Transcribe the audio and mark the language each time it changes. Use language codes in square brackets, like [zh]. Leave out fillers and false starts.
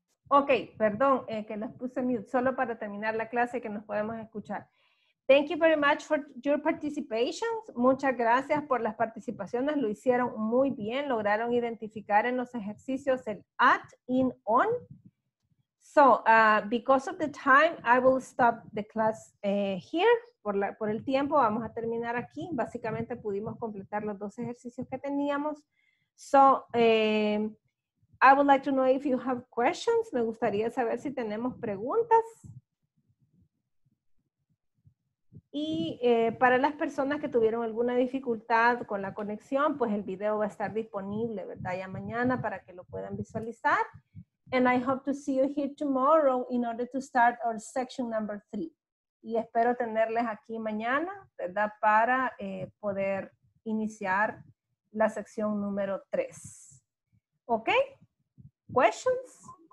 [es] Okay, perdón, que los puse mute solo para terminar la clase que nos podemos escuchar. [en] Thank you very much for your participation. [es] Muchas gracias por las participaciones. Lo hicieron muy bien. Lograron identificar en los ejercicios el at, in, on. [en] So, because of the time, I will stop the class here. [es] Por el tiempo, vamos a terminar aquí. Básicamente pudimos completar los dos ejercicios que teníamos. [en] So, I would like to know if you have questions. [es] Me gustaría saber si tenemos preguntas. Y para las personas que tuvieron alguna dificultad con la conexión, pues el video va a estar disponible, ¿verdad? Ya mañana para que lo puedan visualizar. [en] And I hope to see you here tomorrow in order to start our section number 3. [es] Y espero tenerles aquí mañana, ¿verdad? Para poder iniciar la sección número 3. ¿Ok? [en] ¿Questions?